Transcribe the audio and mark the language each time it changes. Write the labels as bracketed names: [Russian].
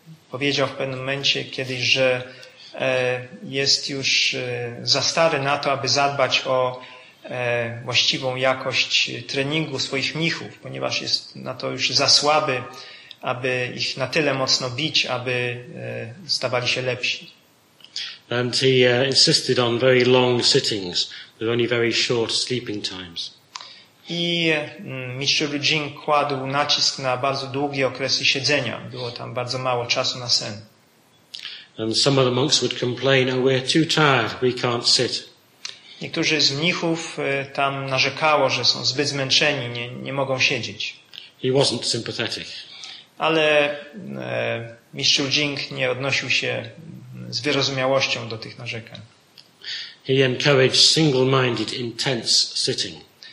[Polish] Powiedział w pewnym momencie kiedyś, że jest już za stary na to, aby zadbać o właściwą jakość treningu swoich mnichów, ponieważ jest na to już za słaby, aby ich na tyle mocno bić, aby stawali się lepsi. [English] And he insisted on very long sittings with only very short sleeping times. [Polish] I mistrz Ru Jing kładł nacisk na bardzo długie okresy siedzenia. Było tam bardzo mało czasu na sen. [English] And some of the monks would complain, "Oh, we're too tired. We can't sit." [Polish] Niektórzy z mnichów tam narzekało, że są zbyt zmęczeni, nie mogą siedzieć. [English] He wasn't sympathetic. [Polish] Ale mistrz Ru Jing nie odnosił się z wyrozumiałością do tych narzekań. [English] He encouraged single-minded, intense sitting.